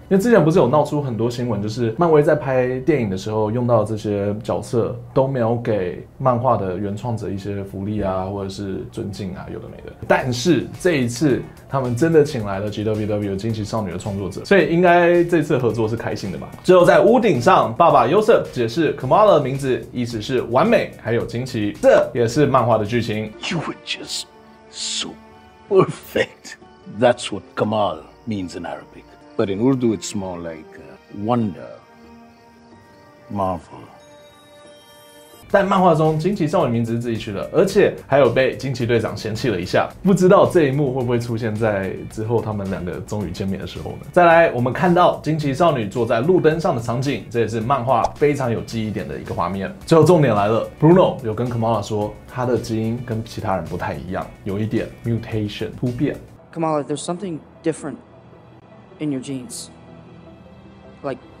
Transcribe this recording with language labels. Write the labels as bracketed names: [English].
[Chinese] 因为之前不是有闹出很多新闻，就是漫威在拍电影的时候用到这些角色都没有给漫画的原创者一些福利啊，或者是尊敬啊，有的没的。但是这一次他们真的请来了 GWW 惊奇少女的创作者，所以应该这次合作是开心的吧。最后在屋顶上，爸爸 Yosef 解释 Kamala 的名字意思是完美还有惊奇，这也是漫画的剧情。 [English] You would justSo perfect. That's what Kamal means in Arabic. But in Urdu, it's more like wonder, marvel. [Chinese] 在漫画中，惊奇少女名字是自己取的，而且还有被惊奇队长嫌弃了一下。不知道这一幕会不会出现在之后他们两个终于见面的时候呢？再来，我们看到惊奇少女坐在路灯上的场景，这也是漫画非常有记忆点的一个画面。最后重点来了 ，Bruno 有跟 Kamala 说。他的基因跟其他人不太一样，有一点 mutation 突变。 [English] Kamala, there's something different in your genes. Like,